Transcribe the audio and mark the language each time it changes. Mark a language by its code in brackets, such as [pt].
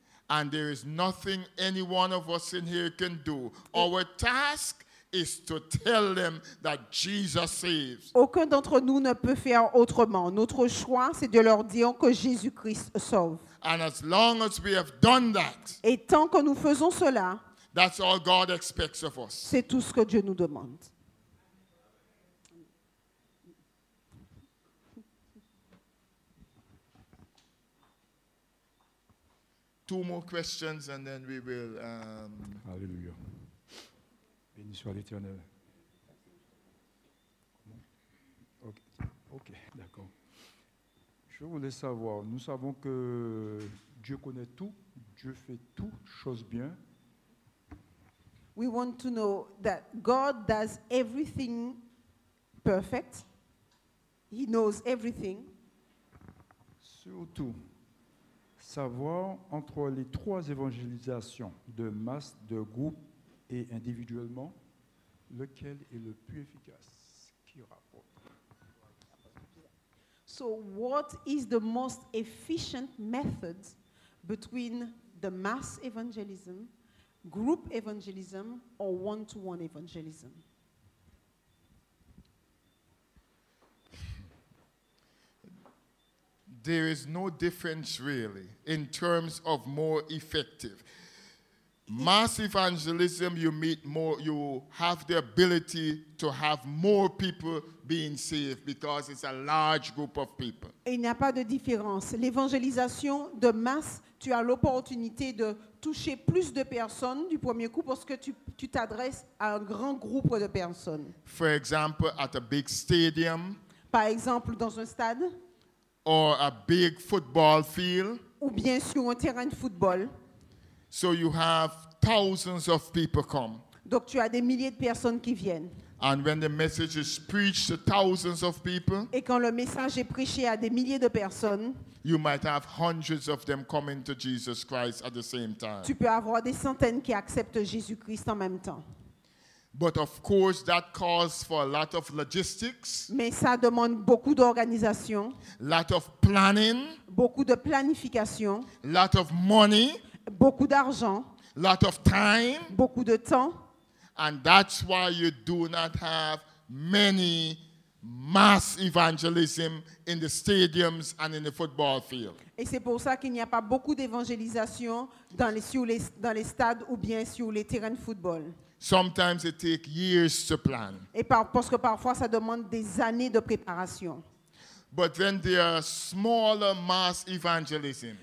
[en] And there is nothing any one of us in here can do. Our task is to tell them that Jesus saves. [fr] Aucun d'entre nous ne peut faire autrement. Notre choix, c'est de leur dire que Jésus-Christ sauve. [en] And as long as we have done that, [fr] et tant que nous faisons cela, [en] that's all God expects of us. [fr] C'est tout ce que Dieu nous demande. [en] Two more questions and then we will. [fr] Alléluia. Béni soit l'Éternel. Okay, d'accord. Je voulais savoir, nous savons que Dieu connaît tout, Dieu fait toutes choses bien. [en] We want to know that God does everything perfect. He knows everything. [fr] Surtout, savoir entre les trois évangélisations de masse, de groupe et individuellement, lequel est le plus efficace qui rapporte. [en] So what is the most efficient method between the mass evangelism, group evangelism, or one-to-one evangelism? There is no difference, really, in terms of more effective. Mass evangelism, you meet more, you have the ability to have more people being saved because it's a large group of people. [fr] Il n'y a pas de différence. L'évangélisation de masse, tu as l'opportunité de toucher plus de personnes du premier coup parce que tu t'adresses à un grand groupe de personnes. [en] For example, at a big stadium. [fr] Par exemple, dans un stade. [en] Or a big football field. [fr] Ou bien sur un terrain de football. [en] So you have thousands of people come. [fr] Donc tu as des milliers de personnes qui viennent. [en] And when the message is preached to thousands of people. [fr] Et quand le message est prêché à des milliers de personnes. [en] You might have hundreds of them coming to Jesus Christ at the same time. [fr] Tu peux avoir des centaines qui acceptent Jésus-Christ en même temps. [en] But of course, that calls for a lot of logistics. [fr] Mais ça demande beaucoup d'organisation. [en] Lot of planning. [fr] Beaucoup de planification. [en] Lot of money. [fr] Beaucoup d'argent. [en] Lot of time. [fr] Beaucoup de temps. [en] And that's why you do not have many mass evangelism in the stadiums and in the football field. [fr] Et c'est pour ça qu'il n'y a pas beaucoup d'évangélisation dans les stades ou bien sur les terrains de football. [en] Sometimes it takes years to plan. [fr] Et parce que parfois ça demande des années de préparation. [en] But when there are smaller mass evangelism.